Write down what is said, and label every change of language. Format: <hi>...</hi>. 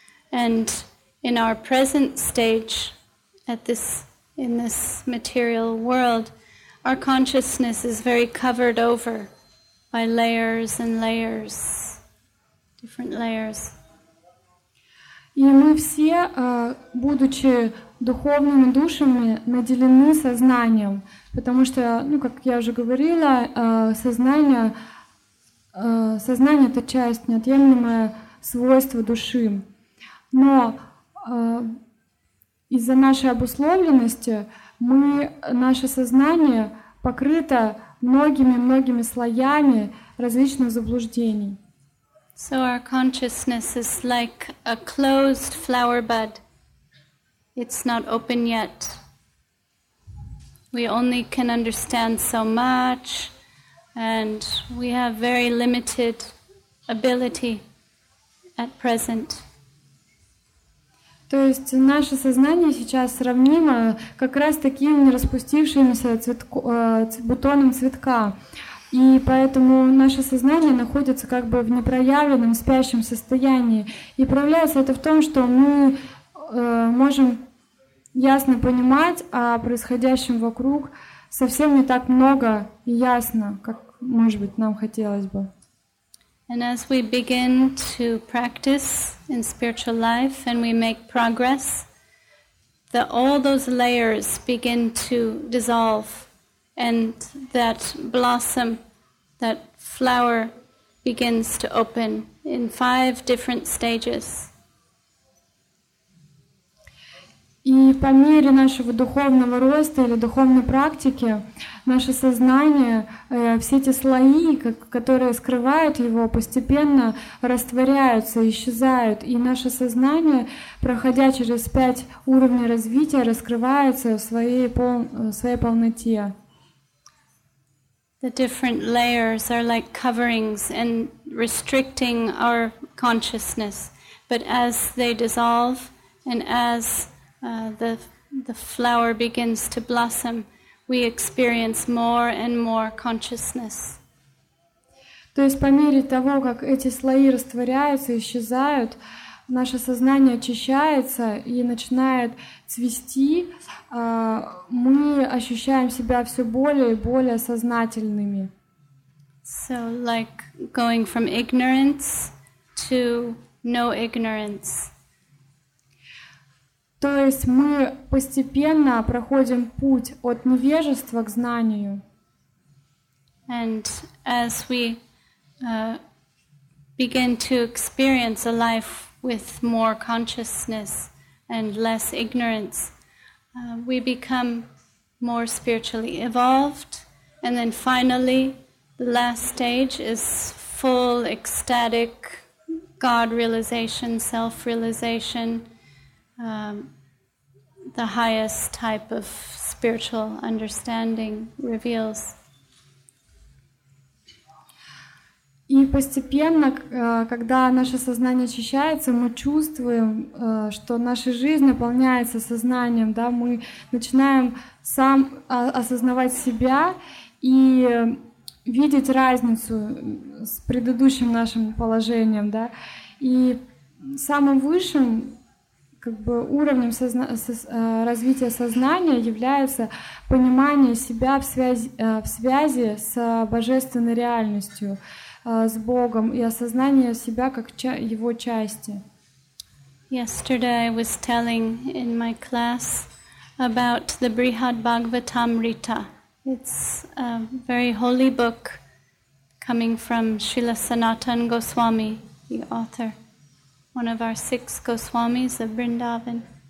<en>And in our present stage, in this material world, our consciousness is very covered over by layers and layers, different layers.</en> <ru>И мы все, будучи духовными душами, наделены сознанием, потому что, ну, как я уже говорила, сознание — это часть, неотъемлемое свойство души. Но из-за нашей обусловленности наше сознание покрыто многими-многими слоями различных заблуждений.</ru> <en>So our consciousness is like a closed flower bud. It's not open yet. We only can understand so much, and we have very limited ability at present.</en> <ru>То есть наше сознание сейчас сравнимо как раз таким нераспустившимся бутоном цветка. И поэтому наше сознание находится как бы в непроявленном, спящем состоянии. И проявляется это в том, что мы можем ясно понимать о происходящем вокруг совсем не так много и ясно, как, может быть, нам хотелось бы.</ru> <en>And as we begin to practice in spiritual life and we make progress, all those layers begin to dissolve and that blossom, that flower begins to open in five different stages.</en> <ru>И по мере нашего духовного роста или духовной практики наше сознание, все эти слои, которые скрывают его, постепенно растворяются, исчезают. И наше сознание, проходя через пять уровней развития, раскрывается в своей полноте.</ru> <en>The different layers are like coverings and restricting our consciousness. But as they dissolve and as the flower begins to blossom, we experience more and more consciousness.</en> <ru>То есть по мере того, как эти слои растворяются, исчезают, наше сознание очищается и начинает цвести, мы ощущаем себя все более и более сознательными.</ru> <en>So like going from ignorance to no ignorance.</en> <ru>То есть мы постепенно проходим путь от невежества к знанию.</ru> <en>And as we begin to experience a life with more consciousness and less ignorance, we become more spiritually evolved, and then finally, the last stage is full ecstatic God realization, self realization, the highest type of spiritual understanding reveals.</en> <ru>И постепенно, когда наше сознание очищается, мы чувствуем, что наша жизнь наполняется сознанием, да, мы начинаем сам осознавать себя и видеть разницу с предыдущим нашим положением, да. И самым высшим, как бы, уровнем развития сознания является понимание себя в связи с божественной реальностью, с Богом, и осознание себя как его части.</ru> <en>Yesterday I was telling in my class about the Brihad Bhagavatamrita. It's a very holy book coming from Srila Sanatan Goswami, the author, one of our six Goswamis of Vrindavan.</en>